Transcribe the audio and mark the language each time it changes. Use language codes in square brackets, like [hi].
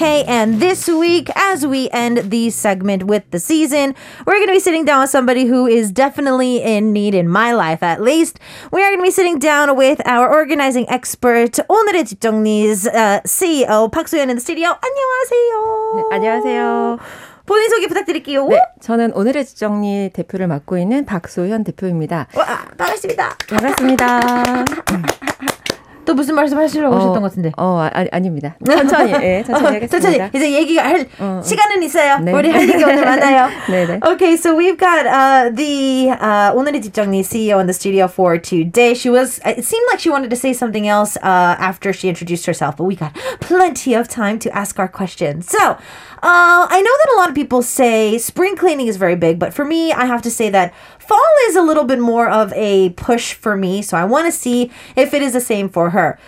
[en] And this week, as we end the segment with the season, we're going to be sitting down with somebody who is definitely in need in my life, at least. We are going to be sitting down with our organizing expert, 오늘의 집정리's CEO, 박수현 in the studio. [ko] 안녕하세요. 네, 안녕하세요. 본인 소개 부탁드릴게요. 네, 저는 오늘의 집정리 대표를 맡고 있는 박소현 대표입니다. 와, 반갑습니다. 반갑습니다. 또 무슨 말씀 하시려고 오셨던 것 같은데. 아닙니다. 천천히. 예, 천천히 하겠습니다. 천천히. 이제 얘기가 할 시간은 있어요. 네. 우리 할 얘기 오늘 많아요. 네네. [en] Okay, so we've got the 오늘의 집정리 CEO in the studio for today. It seemed like she wanted to say something else after she introduced herself, but we got plenty of time to ask our questions. So, I know that a lot of people say spring cleaning is very big, but for me, I have to say that fall is a little bit more of a push for me, so I want to see if it is the same for her.